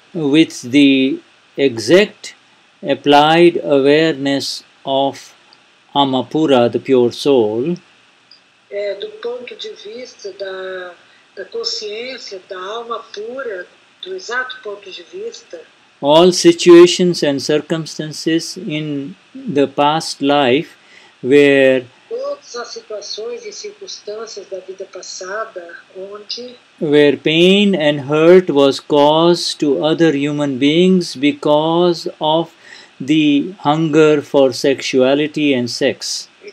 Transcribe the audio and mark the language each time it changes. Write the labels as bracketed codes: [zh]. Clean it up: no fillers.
[en] with the exact applied awareness of Amapura, the pure soul, [pt] do ponto de vista da consciência da alma pura, do exato ponto de vista, [en] all situations and circumstances in the past life were [pt] todas as situações e circunstâncias da vida passada onde [en] where pain and hurt was caused to other human beings because of the hunger for sexuality and sex.